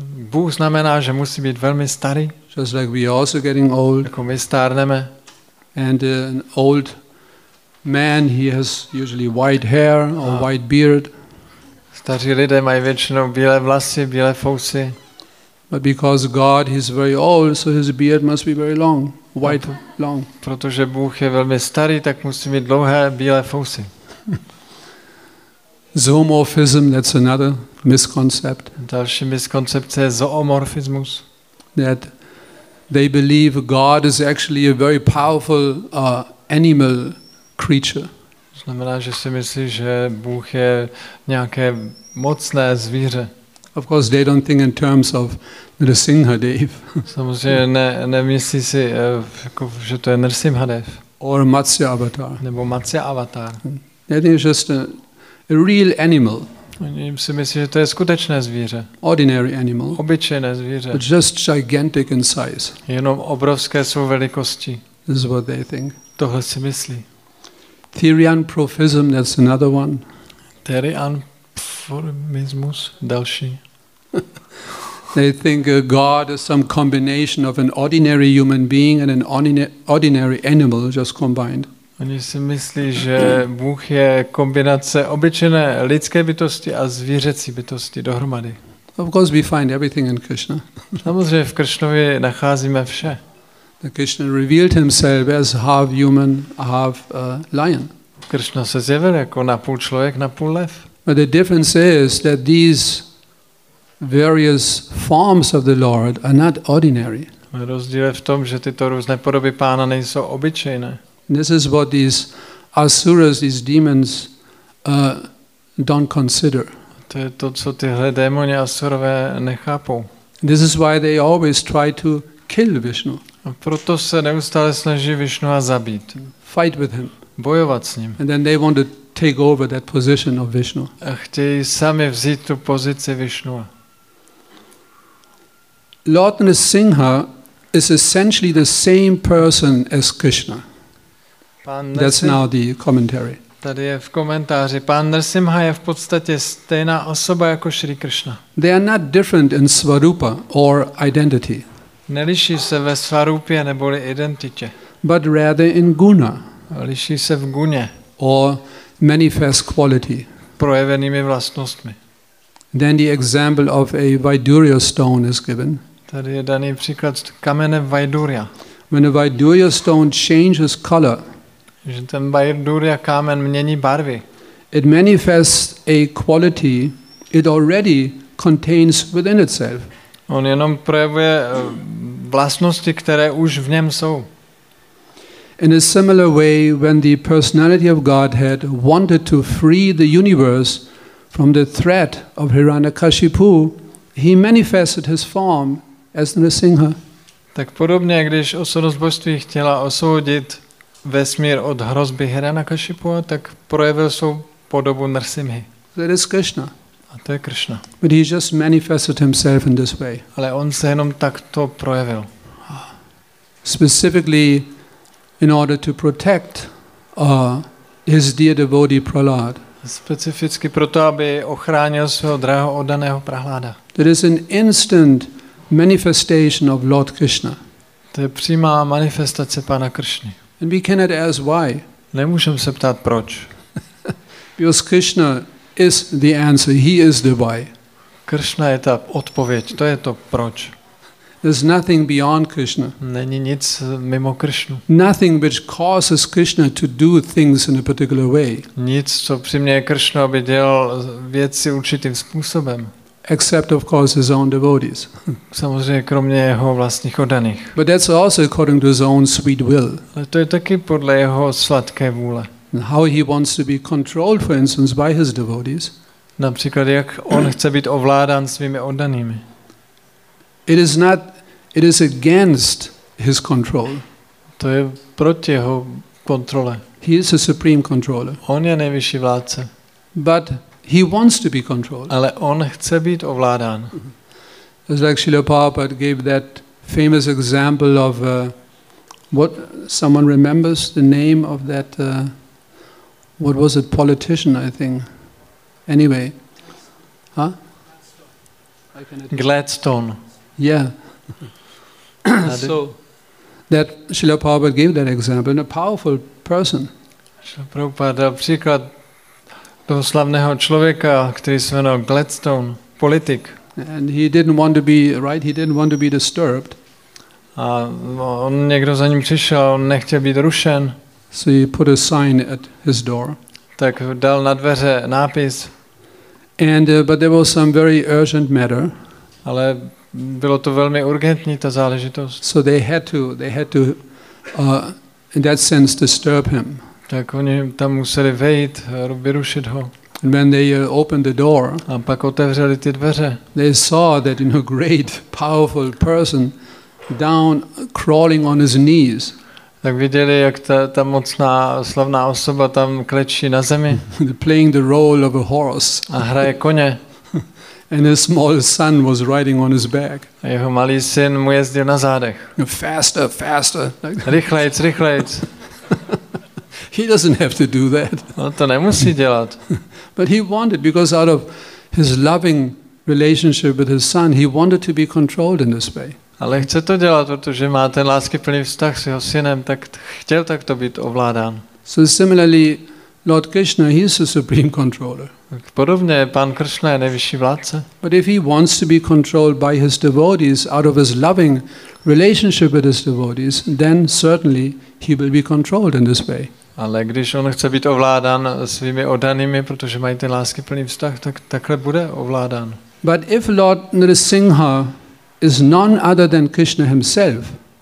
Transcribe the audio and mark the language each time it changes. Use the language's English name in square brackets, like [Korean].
[Czech] Bůh znamená, že musí být velmi starý. [English] Just like we are also getting old. [Czech] Jako my stárneme. [English] And an old man, he has usually white hair or white beard. [Czech] Staří lidé mají většinou bílé vlasy, bílé fousy. [English] But because God is very old, so his beard must be very long, white, long. [Czech] Protože Bůh je velmi starý, tak musí mít dlouhé bílé fousy. [English] Zoomorphism, that's another misconcept. [Czech] Další miskoncepce je zoomorfismus. [English] That they believe God is actually a very powerful animal creature. [Czech] Znamená, že si myslí, že Bůh je nějaké mocné zvíře. [English] Of course, they don't think in terms of Nrsimhadev. [Czech] Samozřejmě nemyslí si, že to je Nrsimhadev. [English] Or Matsya Avatar. [Czech] Nebo Matsya Avatar. [English] That is just a real animal. [Czech] Oni si myslí, že to je skutečné zvíře. [English] Ordinary animal. [Czech] Obyčejné zvíře. [English] But just gigantic in size. [Czech] Jenom obrovské svou velikosti. [English] This is what they think. [Czech] Tohle si myslí. [English] Therianthropism, that's another one. [Czech] Therianthropismus, další. [English] They think God is some combination of an ordinary human being and an ordinary animal just combined. [Czech] Oni si myslí, že Bůh je kombinace obyčejné lidské bytosti a zvířecí bytosti dohromady. [English] Of course we find everything in Krishna. [Czech] Samozřejmě v Krishnovi nacházíme vše. [English] The Krishna revealed himself as half human, half lion. [Czech] Krishna se zjevil jako napůl člověk, napůl lev. [English] But the difference is that these various forms of the Lord are not ordinary. [Czech] Rozdíl je v tom, že tyto různé podoby Pána nejsou obyčejné. [English] This is what these asuras, these demons, don't consider. [Czech] To je to, co tyhle démoni asurové nechápou. [English] This is why they always try to kill Vishnu. [Czech] A proto se neustále snaží Vishnu zabít. [English] Fight with him. [Czech] Bojovat s ním. [English] And then they want to take over that position of Vishnu. [Czech] A chtějí sami vzít tu pozici Vishnu. [English] Lord Nrisimha is essentially the same person as Krishna. That's now the commentary. [Czech] Tady je v komentáři. Pán Nrisimha je v podstatě stejná osoba jako Shri Krishna. [English] They are not different in svarupa or identity. [Czech] Neliší se ve svarupě neboli identitě. [English] But rather in guna. [Czech] Liší se v guně. [English] Or manifest quality. [Czech] Projevenými vlastnostmi. [English] Then the example of a Vaidurya stone is given. [Czech] Tady je daný příklad kamene Vaidurya. [English] When a Vaidurya stone changes color, [Czech] že ten Vaidurya kámen mění barvy, [English] it manifests a quality it already contains within itself. [Czech] On jenom projevuje vlastnosti, které už v něm jsou. [English] In a similar way, when the personality of Godhead wanted to free the universe from the threat of Hiranyakashipu, he manifested his form as Nrisimha. [Czech] Tak podobně, když osobnost božství chtěla osvobodit vesmír od hrozby Hiranyakashipu, tak projevil svou podobu Nrsimhy. [English] That is Krishna. [Czech] A to je Krishna. [English] But he just manifested himself in this way. [Czech] Ale on se jenom takto projevil. [English] Specifically in order to protect his dear devotee Prahlad. [Czech] Specificky proto, aby ochránil svého drahého oddaného Prahláda. [English] There is an instant manifestation of Lord Krishna. [Czech] To je přímá manifestace Pána Krishny. [English] And we cannot ask why. [Czech] Nemůžeme se ptát proč. [English] Because Krishna is the answer. He is the why. [Czech] Krishna je ta odpověď. To je to proč. [English] There's nothing beyond Krishna. [Czech] Není nic mimo Krishnu. [English] Nothing which causes Krishna to do things in a particular way. [Czech] Nic, co přiměje Krishnu, aby dělal věci určitým způsobem. [English] Except of course his own devotees. [Czech] Samozřejmě kromě jeho vlastních oddaných. [English] But that's also according to his own sweet will. [Czech] Ale to je taky podle jeho sladké vůle. [English] How he wants to be controlled, for instance, by his devotees. [Czech] Například jak on chce být ovládán svými oddanými. [English] It is against his control. [Czech] To je proti jeho kontrole. [English] He is a supreme controller. [Czech] On je nejvyšší vládce. [English] But he wants to be controlled. [Czech] Ale on chce být ovládán. [English] It's like Srila Prabhupada gave that famous example of what someone remembers the name of that what was it, politician, I think. Anyway. Huh? Gladstone. Yeah. So that Srila Prabhupada gave that example in a powerful person. [Czech] Srila Prabhupada dal příklad toho slavného člověka, který se jmenoval Gladstone, politik. [English] And he didn't want to be right, he didn't want to be disturbed. [Czech] A on někdo za ním přišel, on nechtěl být rušen. [English] So he put a sign at his door. [Czech] Tak dal na dveře nápis. [English] And but there was some very urgent matter. [Czech] Ale bylo to velmi urgentní ta záležitost. [English] So they had to in that sense disturb him. [Czech] Tak oni tam museli vejít, vyrušit ho. [English] And when they opened the door, [Czech] a pak otevřeli ty dveře. [English] They saw that great powerful person down crawling on his knees. [Czech] Tak viděli, jak ta mocná slavná osoba tam klečí na zemi. [English] Playing the role of a horse. [Czech] A hraje koně. [English] And his small son was riding on his back. [Czech] A jeho malý syn mu jezdil na zádech. [English] Faster, faster. [Czech] Rychlejc, rychlejc. [English] He doesn't have to do that. [Czech] On to nemusí dělat. [English] But he wanted, because out of his loving relationship with his son, he wanted to be controlled in this way. [Czech] Ale chce to dělat, protože má ten láskyplný vztah s jeho synem, tak chtěl takto být ovládán. [English] So similarly, Lord Krishna, he is the supreme controller. [Czech] Podobně pan Krishna je nejvyšší vládce. [English] But if he wants to be controlled by his devotees out of his loving relationship with his devotees, then certainly he will be controlled in this way. [Czech] Ale když on chce být ovládán svými oddanými, protože mají ty lásky plný vztah, tak takhle bude ovládán. [English] But if Lord Nrisingha is none other than Krishna himself.